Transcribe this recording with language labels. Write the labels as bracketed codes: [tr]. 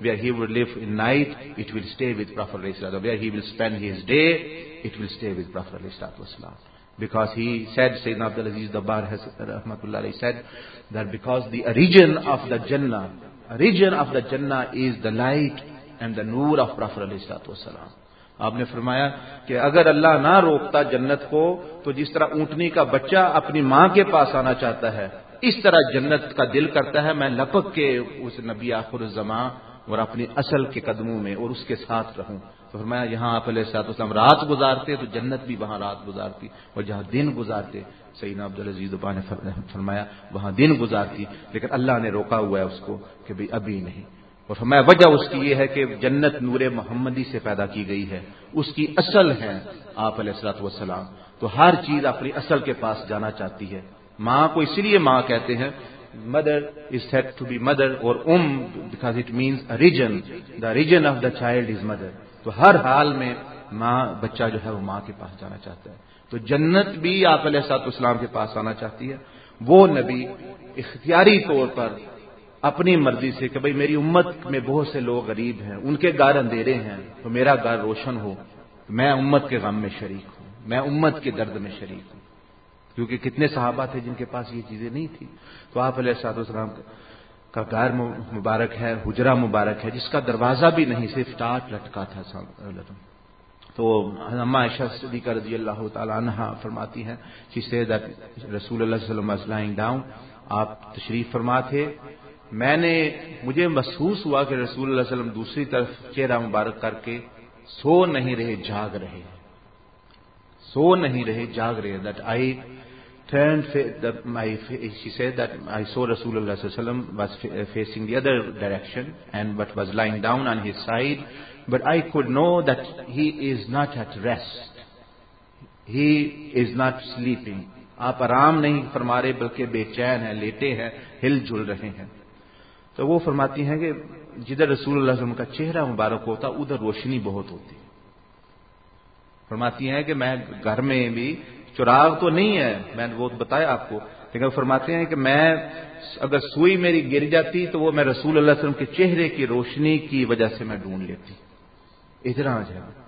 [en] Where he would live in night, it will stay with Prophet sallallahu alaihi wasallam. Where he will spend his day, it will stay with Prophet sallallahu alaihi wasallam. Because he said, Sayyidina Abdul Aziz Dabbar has rahmatullah alayhi said that because the origin of the jannah is the light and the noor of Prophet sallallahu alaihi wasallam. [ur] آپ نے فرمایا کہ اگر اللہ نہ روکتا جنت کو تو جس طرح اونٹنی کا بچہ اپنی ماں کے پاس آنا چاہتا ہے, اس طرح جنت کا دل کرتا ہے میں لپک کے اس نبی آخر الزمان اور اپنی اصل کے قدموں میں اور اس کے ساتھ رہوں. تو فرمایا یہاں آپ علیہ الصلوۃ والسلام رات گزارتے تو جنت بھی وہاں رات گزارتی, اور جہاں دن گزارتے, سیدنا عبدالعزیز دبا نے فرمایا وہاں دن گزارتی, لیکن اللہ نے روکا ہوا ہے اس کو کہ بھئی ابھی نہیں. اور فرمایا وجہ اس کی یہ ہے کہ جنت نور محمدی سے پیدا کی گئی ہے, اس کی اصل ہیں آپ علیہ الصلوۃ والسلام, تو ہر چیز اپنی اصل کے پاس جانا چاہتی ہے. ماں کو اس لیے ماں کہتے ہیں, [en] Mother is said to be mother اور ام, because it means origin, the region of the child is mother. [ur] تو ہر حال میں ماں, بچہ جو ہے وہ ماں کے پاس جانا چاہتا ہے. تو جنت بھی آپ علیہ الصلوۃ والسلام کے پاس آنا چاہتی ہے. وہ نبی اختیاری طور پر اپنی مرضی سے کہ بھئی میری امت میں بہت سے لوگ غریب ہیں, ان کے گھر اندھیرے ہیں, تو میرا گھر روشن ہو, میں امت کے غم میں شریک ہوں, میں امت کے درد میں شریک ہوں. کیونکہ کتنے صحابہ تھے جن کے پاس یہ چیزیں نہیں تھی. تو آپ علیہ الصلوۃ والسلام کا گھر مبارک ہے, حجرہ مبارک ہے, جس کا دروازہ بھی نہیں, صرف ٹاٹ لٹکا تھا. تو اما عائشہ صدیقہ رضی اللہ تعالی عنہا فرماتی ہیں, [en] she said that [ur] رسول اللہ صلی اللہ علیہ وسلم [en] lying down, [ur] آپ تشریف فرما تھے, میں نے, مجھے محسوس ہوا کہ رسول اللہ صلی اللہ علیہ وسلم دوسری طرف چہرہ مبارک کر کے سو نہیں رہے, جاگ رہے, سو نہیں رہے, جاگ رہے. [en] That I turned my face, she said that I saw Rasulullah sallallahu alaihi wasallam was facing the other direction and but was lying down on his side, but I could know that he is not at rest, he is not sleeping. [ur] آپ آرام نہیں فرما رہے بلکہ بے چین ہیں, لیٹے ہیں, ہل جل رہے ہیں. تو وہ فرماتی ہیں کہ جدھر رسول اللہ صلی اللہ علیہ وسلم کا چہرہ مبارک ہوتا ادھر روشنی بہت ہوتی. فرماتی ہیں کہ میں گھر میں بھی چراغ تو نہیں ہے, میں وہ بتایا آپ کو, لیکن فرماتے ہیں کہ میں اگر سوئی میری گر جاتی تو وہ میں رسول اللہ صلی اللہ علیہ وسلم کے چہرے کی روشنی کی وجہ سے میں ڈھونڈ لیتی ادھر آ جا.